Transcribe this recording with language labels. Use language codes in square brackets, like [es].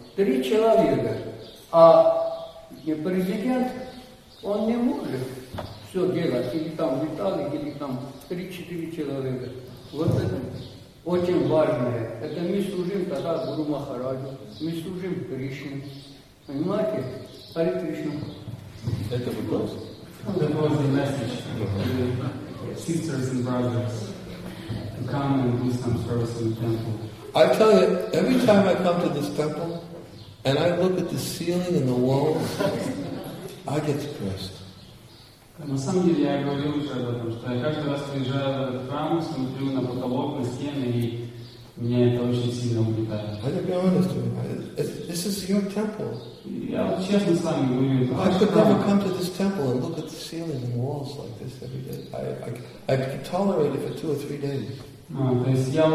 [ru] 3 человека. А президент, он не может все делать. Или там Виталий, или там 3-4 человека. Вот это очень важное. Это мы служим тогда Гуру Махараджу, мы служим Кришне. Понимаете? Харе Кришна. Это вопрос. [en] That was the message to the sisters and brothers to come and do some service in the temple. I tell you, every time I come to this temple and I look at the ceiling and the walls, I get depressed. [ru] На самом деле я говорил уже об этом, что я каждый раз приезжаю в этот храм, смотрю на потолок, на стены, и меня это очень сильно угнетает. [en] I have to be honest with you. This is your temple. Yeah, I could never come to this temple and look at the ceiling and walls like this every day. I could tolerate it for 2 or 3 days.